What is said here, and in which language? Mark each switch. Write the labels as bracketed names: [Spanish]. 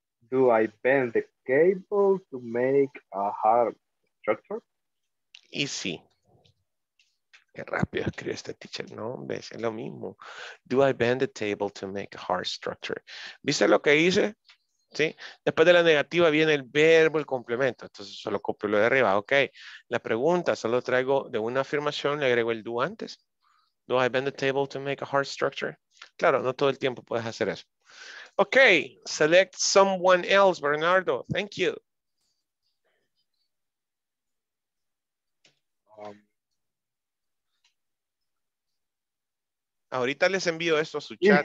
[English] Do I bend the cable to make a hard structure? Easy. [Spanish] Qué rápido escribe este teacher. No, hombre, es lo mismo. [English] Do I bend the table to make a hard structure? [Spanish] ¿Viste lo que hice? ¿Sí? Después de la negativa viene el verbo, el complemento. Entonces solo copio lo de arriba. Ok. La pregunta, solo traigo de una afirmación, le agrego el do antes. [English] Do I bend the table to make a hard structure? [Spanish] Claro, no todo el tiempo puedes hacer eso. [English] Ok. Select someone else, Bernardo. Thank you. [Spanish] Ahorita les envío esto a su chat.